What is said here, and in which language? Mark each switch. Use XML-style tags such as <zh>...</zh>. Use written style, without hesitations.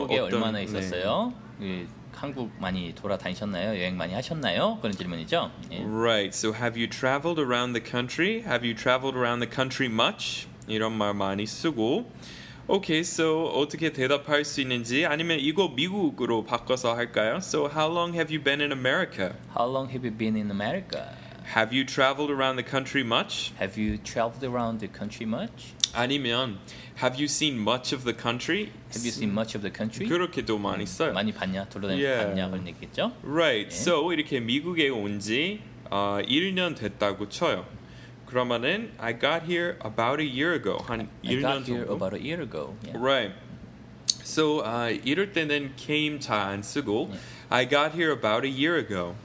<ko>한국에 어떤, 얼마나 있었어요? 네. 한국 많이 돌아다니셨나요? 여행 많이 하셨나요? 그런 질문이죠. 네.</ko> <en>Right. So have you traveled around the country? Have you traveled around the country much?</en> <ko>이런 말 많이 쓰고 오케이, so 어떻게 대답할 수 있는지 아니면 이거 미국으로 바꿔서 할까요?</ko> <en>So how long have you been in America? How long have you been in America? Have you traveled around the country much? Have you traveled around the country much?</en> <ko>아니면</ko> <en>have you seen much of the country? Have you seen much of the country?</en> <ko>그렇게도 많이 써요. 많이 봤냐? 돌아다녔냐? 그런 얘기겠죠?</ko> <en>Right, yeah. So</en> <ko>이렇게 미국에 온 지 1년 됐다고 쳐요.</ko> <en>그러면은 I got here about a year ago.</en> <ko>한</ko> <en>I</en> <ko>1년</ko> <en>got here</en> <ko>정도?</ko> <en>About a year ago. Yeah. Right. So</en> <ko>이럴 때는</ko> <en>came</en> <ko>자 안 쓰고</ko> <en>yeah. I got here about a year ago.</en>